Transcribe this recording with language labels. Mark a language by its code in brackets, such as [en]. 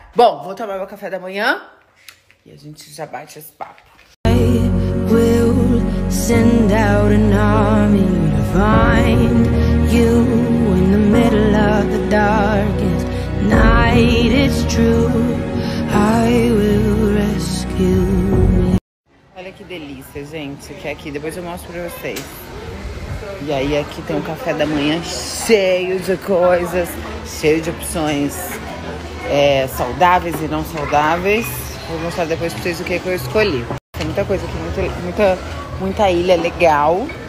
[pt] Bom, vou tomar meu café da manhã e a gente já bate esse papo. [en] I will send out an army to find you in the middle of the darkest night. It's true, I will rescue. [pt] Olha que delícia, gente, que é aqui. Depois eu mostro pra vocês. E aí aqui tem um café da manhã cheio de coisas, cheio de opções saudáveis e não saudáveis. Vou mostrar depois pra vocês o que eu escolhi. Tem muita coisa aqui, muita ilha legal.